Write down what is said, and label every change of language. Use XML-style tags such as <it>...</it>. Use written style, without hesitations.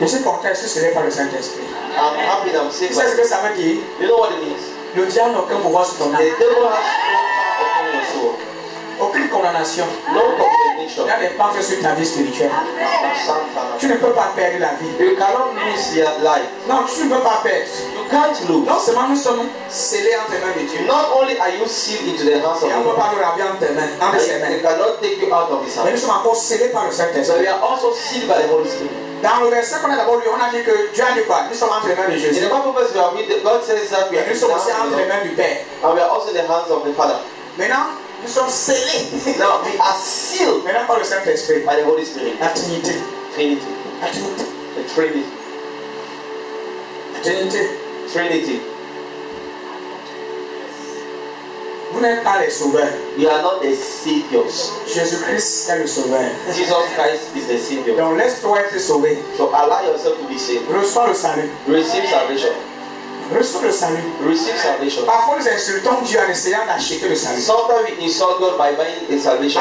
<fr>Je suis content, ce serait par le Saint-Esprit.</fr> <en>I'm happy, I'm safe.</en> <fr>Tu sais ce que ça veut dire?</fr> <en>You know what it means?</en> <fr>Le diable n'a aucun pouvoir sur ton âme.</fr> <en>The devil has no power upon your soul.</en> <fr>Aucune condamnation. Il y a des pensées sur ta vie spirituelle. Amen. Tu ne peux pas perdre la vie.</fr> <en>You cannot lose your life.</en> <fr>Non, tu ne peux pas perdre.</fr> <en>You can't lose.</en> <fr>Non seulement nous sommes scellés entre les mains de Dieu.</fr> <en>Not only are you sealed into the hands of God.</en> <fr>Et on ne peut pas nous ravir entre les mains. Entre ses mains.</fr> <en>You cannot take you out of his hands.</en> <fr>Mais nous sommes encore scellés par le Saint-Esprit.</fr> <en>We are also sealed by the Holy Spirit.</en> <fr>Dans le verset qu'on a d'abord lu, on a dit que Dieu a dit quoi? Nous sommes entre les mains de Jésus.</fr> <en>In the Bible verse we have read, God says that we are.</en> <fr>Nous sommes aussi entre les mains du Père.</fr> <en>And we are also in the hands of the Father.</en> <fr>Maintenant. Nous sommes scellés.</fr> <en>Now we are sealed.</en> <fr>Maintenant par le Saint-Esprit.</fr> <en>By the Holy Spirit.</en> <fr>La Trinité.</fr> <en>Trinity.</en> <fr>La Trinité.</fr> <en>The Trinity.</en> <fr>La Trinité.</fr> <en>Trinity.</en> <fr>Vous n'êtes pas les sauveurs.</fr> <en>You are not the saviors.</en> <fr>Jésus-Christ est le sauveur.</fr> <en>Jesus Christ is the savior.</en> <fr>Donc laisse-toi être sauvé.</fr> <en>So allow yourself to be saved.</en> <fr>Reçois le salut.</fr> <en>Receive salvation.</en> <fr>Reçois le salut.</fr> <en>Receive salvation.</en> <fr>Parfois nous insultons Dieu en essayant d'acheter le salut.</fr> <en>Sometimes we insult God by buying the salvation.</en>